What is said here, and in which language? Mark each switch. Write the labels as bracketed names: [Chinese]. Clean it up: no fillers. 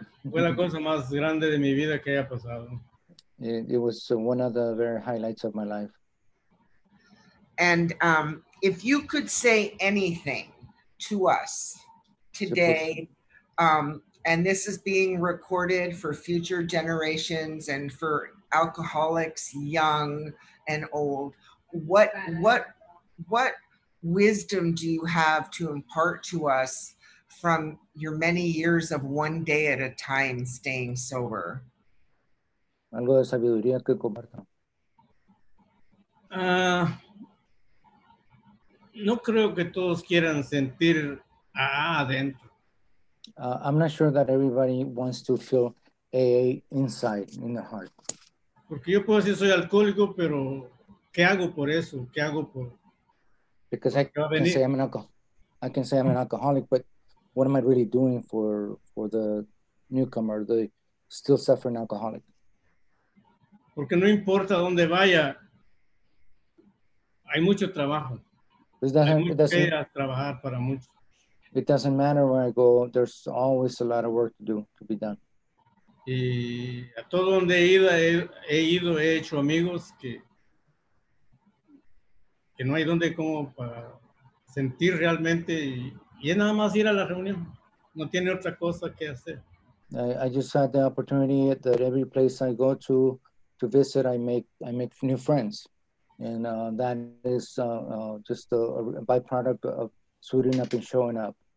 [Spanish] Fue la cosa más grande de mi vida que haya pasado. [English] It was one of the very highlights of my life. And if you could say anything to us today, and this is being recorded for future generations and for alcoholics, young and old, what wisdom do you have to impart to us from your many years of one day at a time staying sober? [Spanish] Algo de sabiduría que comparto. No creo que todos quieran sentir adentro. [English] I'm not sure that everybody wants to feel AA inside, in the heart. [Spanish] Porque yo puedo decir soy alcohólico, pero ¿qué hago por eso? ¿Qué hago por...? [English] Because I can say I'm an alcoholic, but what am I really doing for the newcomer, the still suffering alcoholic? [Spanish] Porque no importa dónde vaya, hay mucho trabajo. [English] It doesn't matter where I go, there's always a lot of work to be done. [Spanish] Y a todo donde he ido, he hecho amigos que no hay donde como para sentir realmente y es nada más ir a la reunión, no tiene otra cosa que hacer. [English] I just had the opportunity that every place I go to visit, I make new friends. And that is just a byproduct of suiting up and showing up.